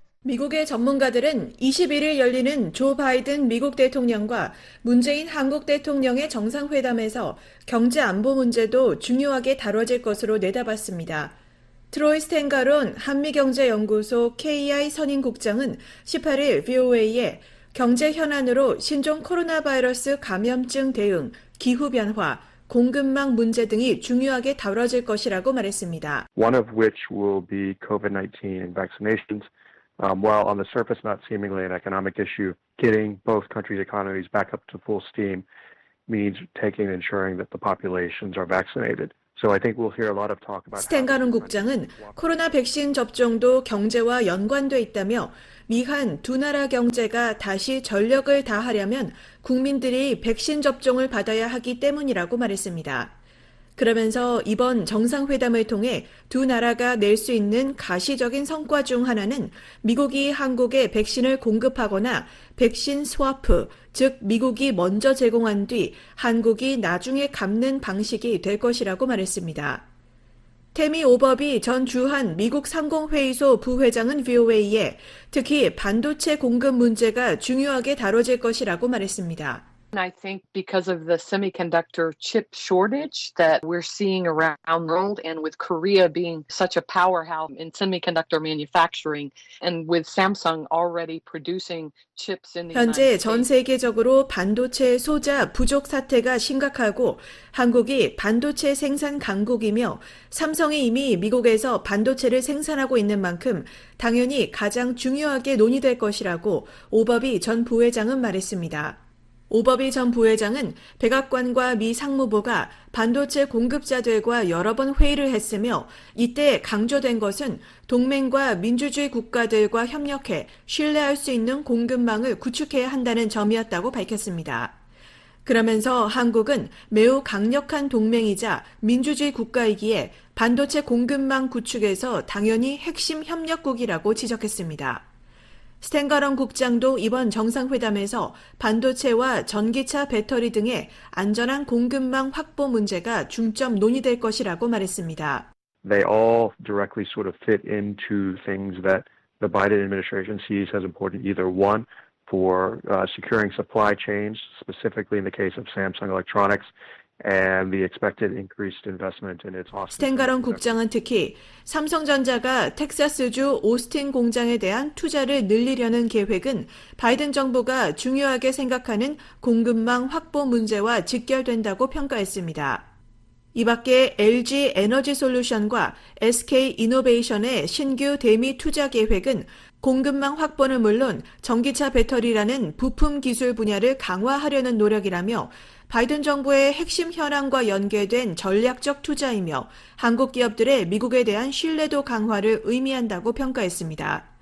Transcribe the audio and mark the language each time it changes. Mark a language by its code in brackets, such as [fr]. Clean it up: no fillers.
[ko] 미국의 전문가들은 21일 열리는 조 바이든 미국 대통령과 문재인 한국 대통령의 정상회담에서 경제 안보 문제도 중요하게 다뤄질 것으로 내다봤습니다. 트로이 스텐가론 한미경제연구소 KI 선임국장은 18일 VOA에 경제 현안으로 신종 코로나 바이러스 감염증 대응, 기후변화, 공급망 문제 등이 중요하게 다뤄질 것이라고 말했습니다. [en] One of which will be COVID-19 and vaccinations. While on the surface not seemingly an economic issue, getting both countries' economies back up to full steam means taking and ensuring that the populations are vaccinated. So I think we'll hear a lot of talk about. [ko] 스텐가론 국장은 코로나 백신 접종도 경제와 연관돼 있다며 미한 두 나라 경제가 다시 전력을 다하려면 국민들이 백신 접종을 받아야 하기 때문이라고 말했습니다. 그러면서 이번 정상회담을 통해 두 나라가 낼 수 있는 가시적인 성과 중 하나는 미국이 한국에 백신을 공급하거나 백신 스와프, 즉 미국이 먼저 제공한 뒤 한국이 나중에 갚는 방식이 될 것이라고 말했습니다. 태미 오버비 전 주한 미국 상공회의소 부회장은 VOA에 특히 반도체 공급 문제가 중요하게 다뤄질 것이라고 말했습니다. [en] I think because of the semiconductor chip shortage that we're seeing around the world and with Korea being such a powerhouse in semiconductor manufacturing and with Samsung already producing chips in the [ko] 현재 전 세계적으로 반도체 소자 부족 사태가 심각하고 한국이 반도체 생산 강국이며 삼성이 이미 미국에서 반도체를 생산하고 있는 만큼 당연히 가장 중요하게 논의될 것이라고 오버비 전 부회장은 말했습니다. 오버비 전 부회장은 백악관과 미 상무부가 반도체 공급자들과 여러 번 회의를 했으며 이때 강조된 것은 동맹과 민주주의 국가들과 협력해 신뢰할 수 있는 공급망을 구축해야 한다는 점이었다고 밝혔습니다. 그러면서 한국은 매우 강력한 동맹이자 민주주의 국가이기에 반도체 공급망 구축에서 당연히 핵심 협력국이라고 지적했습니다. 스텐가런 국장도 이번 정상회담에서 반도체와 전기차 배터리 등의 안전한 공급망 확보 문제가 중점 논의될 것이라고 말했습니다. [en] They all directly sort of fit into things that the Biden administration sees as important, either one for securing supply chains, specifically in the case of Samsung Electronics. And the expected increased investment in its Austin. [ko] 스텐가런 국장은 특히 삼성전자가 텍사스주 오스틴 공장에 대한 투자를 늘리려는 계획은 바이든 정부가 중요하게 생각하는 공급망 확보 문제와 직결된다고 평가했습니다. 이 밖에 LG 에너지 솔루션과 SK 이노베이션의 신규 대미 투자 계획은 공급망 확보는 물론 전기차 배터리라는 부품 기술 분야를 강화하려는 노력이라며 바이든 정부의 핵심 현안과 연계된 전략적 투자이며 한국 기업들의 미국에 대한 신뢰도 강화를 의미한다고 평가했습니다.